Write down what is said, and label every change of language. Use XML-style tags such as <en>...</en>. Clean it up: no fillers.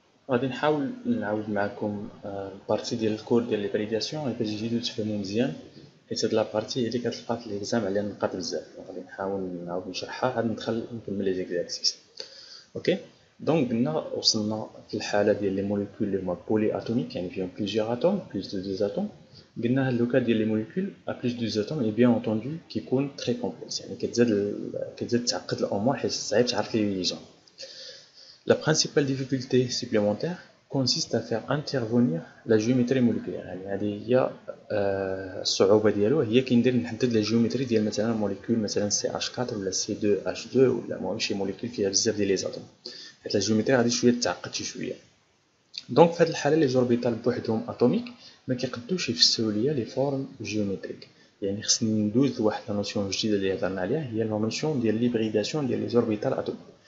<ar>غادي نحاول نعاود معكم البارتي ديال الكور ديال لي فاليداسيون اي باش تجيو تفهموا مزيان حيت هاد لابارتي هي اللي كتلقى في ليكزام عليها نقاط بزاف غادي نحاول نعاود نشرحها عاد ندخل نكمل لي زيكزارسيس اوكي دونك قلنا وصلنا في الحاله ديال لي موليكول اللي هما بولي اتوميك يعني فيهم بليزيوغ اتوم بليس دو دوز اتوم قلنا هاد لوكا ديال لي موليكول ا بليس دو دوز اتوم اي بيان اونتوندو كيكون تري كومبلكس يعني كتزاد تعقد الامور حيت صعيب تعرف لي ليزون.</ar> <fr>La principale difficulté supplémentaire consiste à faire intervenir la géométrie moléculaire.</fr> <ar>Yani,</ar> <fr>il y a</fr> <ar>صعوبة ديالو هي كي ندير نحدد لا جيومتري ديال مثلا موليكول مثلا CH4 ولا C2H2 ولا المهم شي موليكول فيها بزاف ديال لي زاتوم حيت لا جيومتري غادي شويه تعقد شي شويه دونك في هذه الحاله لي جوربيتال بوحدهم اتوميك ما كيقدوش يفسروا ليا لي فورم جيومتريك يعني خصني ندوز لواحد لا نوسيون جديده اللي هضرنا عليها هي لا نوسيون ديال ليبريداسيون ديال لي جوربيتال اتوميك.</ar>